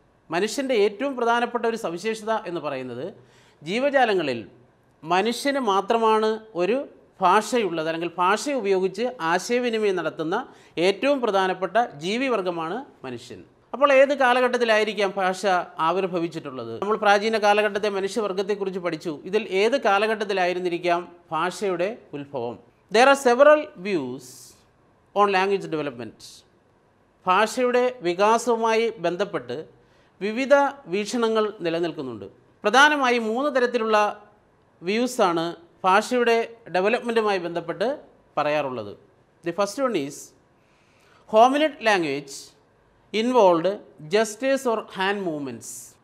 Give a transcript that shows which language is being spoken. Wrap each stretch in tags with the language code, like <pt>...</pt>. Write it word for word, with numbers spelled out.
<ml>മനുഷ്യൻ്റെ ഏറ്റവും പ്രധാനപ്പെട്ട ഒരു സവിശേഷത എന്ന് പറയുന്നത് ജീവജാലങ്ങളിൽ മനുഷ്യന് മാത്രമാണ് ഒരു ഭാഷയുള്ളത്, അല്ലെങ്കിൽ ഭാഷ ഉപയോഗിച്ച് ആശയവിനിമയം നടത്തുന്ന ഏറ്റവും പ്രധാനപ്പെട്ട ജീവിവർഗമാണ് മനുഷ്യൻ. അപ്പോൾ ഏത് കാലഘട്ടത്തിലായിരിക്കാം ഭാഷ ആവിർഭവിച്ചിട്ടുള്ളത്? നമ്മൾ പ്രാചീന കാലഘട്ടത്തെ മനുഷ്യവർഗത്തെക്കുറിച്ച് പഠിച്ചു. ഇതിൽ ഏത് കാലഘട്ടത്തിലായിരുന്നിരിക്കാം ഭാഷയുടെ ഉത്ഭവം?</ml> <en>There are several views on language development.</en> <ml>ഭാഷയുടെ വികാസവുമായി ബന്ധപ്പെട്ട് വിവിധ വീക്ഷണങ്ങൾ നിലനിൽക്കുന്നുണ്ട്. പ്രധാനമായി മൂന്ന് തരത്തിലുള്ള വ്യൂസാണ് ഭാഷയുടെ ഡെവലപ്മെൻറ്റുമായി ബന്ധപ്പെട്ട് പറയാറുള്ളത്.</ml> <en>The first one is hominid language involved gestures or hand movements.</en>